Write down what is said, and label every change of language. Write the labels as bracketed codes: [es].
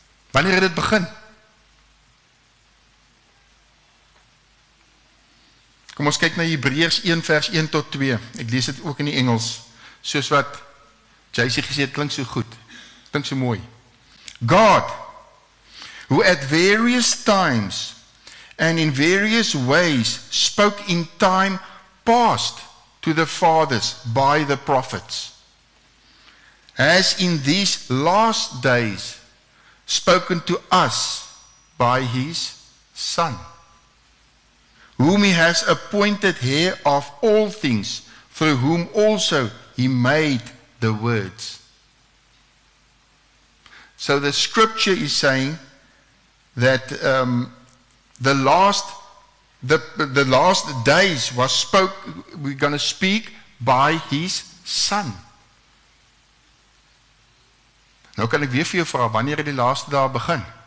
[af] Wanneer het dit begin? Kom ons kyk na Hebreërs 1 vers 1 tot 2. Ek lees dit ook in die Engels. Soos wat JC gesê het, klink so goed. Klink so mooi. [en] God, who at various times and in various ways spoke in time past to the fathers by the prophets, has in these last days spoken to us by his Son, whom he has appointed heir of all things, through whom also he made the worlds. So the scripture is saying that the last days was spoke, we're going to speak by his Son. [af] Nou kan ek weer vir jou vraag, wanneer het die laaste dag begin?